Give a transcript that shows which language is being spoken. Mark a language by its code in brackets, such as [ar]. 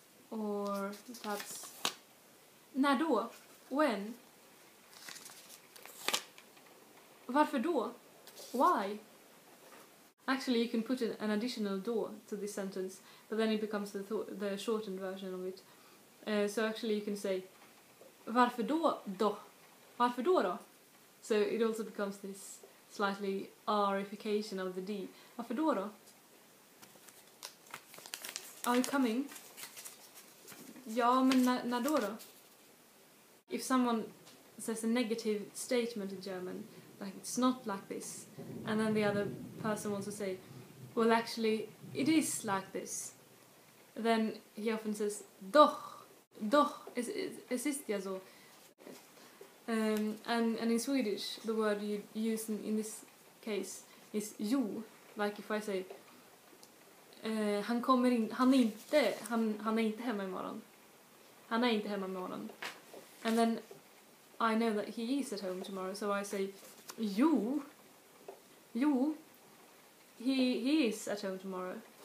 [en] Or perhaps [sv] när då? [en] When? [sv] Varför då? [en] Why? Actually, you can put an additional då to this sentence, but then it becomes the shortened version of it. So actually you can say [sv] varför då då? Varför då då? [en] So it also becomes this slightly R-ification of the D. [sv] Varför då då? [en] Are you coming? [sv] Ja, men när då då? [en] If someone says a negative statement in German, like it's not like this, and then the other person wants to say, well actually, it is like this, then he often says, [de] doch, es ist ja so. [en] And in Swedish, the word you use in this case is jo, like if I say, [sv] han är inte hemma imorgon. [en] And then I know that he is at home tomorrow, so I say, jo, he is at home tomorrow.